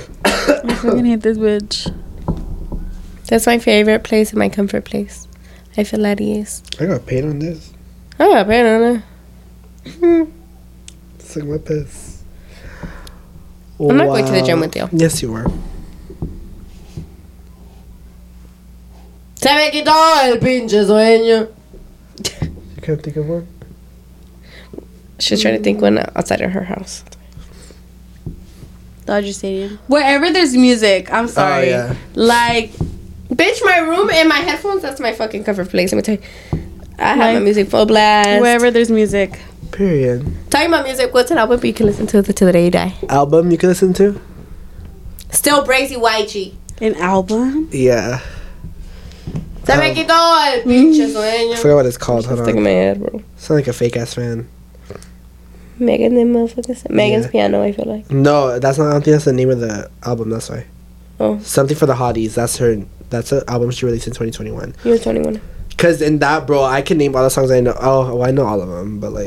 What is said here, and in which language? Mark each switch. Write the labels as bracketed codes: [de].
[en] I fucking hate this bitch. That's my favorite place and my comfort place. I feel at ease. I got paint on this. I got paint on it. It's like my piss. I'm not going to the gym with you. Yes, you are. [es] Se me quitó el pinche sueño. [en] You can't think of one? She's trying to think one outside of her house. Dodger Stadium. Wherever there's music, I'm sorry. Oh, yeah. Like, bitch, my room and my headphones, that's my fucking comfort place. Let me tell you. I have my music full blast. Wherever there's music. Period. Talking about music, what's an album you can listen to till the day you die? Album you can listen to? Still Brazy YG. An album? Yeah. [es] Se me quitó el pinche sueño. [en] I forgot what it's called. Hold on. Stick in my head, bro. Sound like a fake ass fan. Megan's piano, I feel like. No, that's not, I don't think that's the name of the album, that's why. Oh. Something for the Hotties, that's her, that's an album she released in 2021. You're 21. Because in that, bro, I can name all the songs I know. Oh, well, I know all of them, but like.